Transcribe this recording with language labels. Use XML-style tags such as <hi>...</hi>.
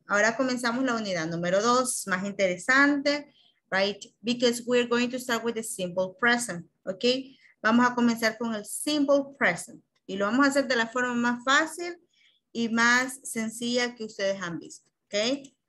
<es>Ahora comenzamos la unidad número 2, más interesante, right?</es> <en>Because we are going to start with the simple present, okay?</en> <es>Vamos a comenzar con el simple present. Y lo vamos a hacer de la forma más fácil y más sencilla que ustedes han visto, okay?</es>